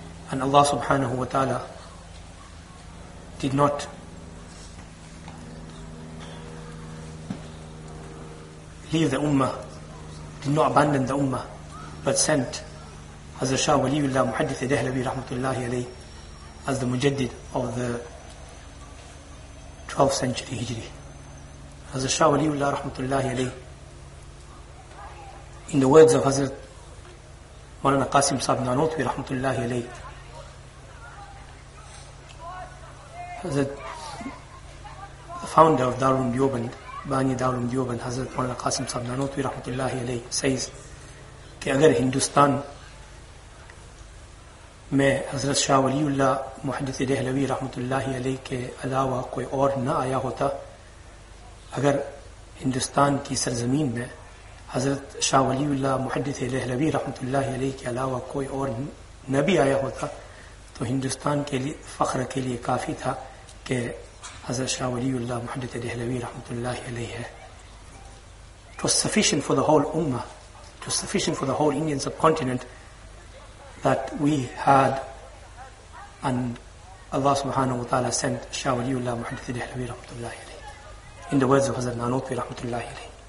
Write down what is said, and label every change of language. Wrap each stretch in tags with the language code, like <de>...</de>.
<en>And Allah subhanahu wa ta'ala did not leave the ummah, did not abandon the ummah, but sent as the Shah Waliullah Muhaddith Dehlavi rahmatullahi alayhi as the Mujaddid of the 12th century Hijri. As the Shah Waliullah rahmatullahi alayhi, in the words of Hazrat Mawlana Qasim Sahib Nanotwi rahmatullahi alayhi, Hazrat, the founder of Darul Diyoband, Bani Darul Diyoband, Hazrat Mawlana Qasim Sahib Nanotwi rahmatullahi alayhi, says,</en> <ur>ki agar Hindustan میں حضرت شاہ ولی اللہ محدث دہلوی رحمۃ اللہ علیہ کے علاوہ کوئی اور نہ آیا ہوتا, اگر ہندوستان کی سرزمین میں حضرت شاہ ولی اللہ محدث دہلوی رحمۃ اللہ علیہ کے علاوہ کوئی اور نہ بھی آیا ہوتا تو ہندوستان کے لیے فخر کے لیے کافی تھا کہ حضرت شاہ ولی اللہ محدث دہلوی رحمۃ اللہ علیہ ہے.</ur> <en>It was sufficient for the whole ummah, it was sufficient for the whole Indian subcontinent that we had, and Allah subhanahu wa ta'ala sent Shah Waliullah Muhaddith Dehlavi rahmatullahi alayhi, in the words of Hazrat Nanotwi rahmatullahi alayhi.</en>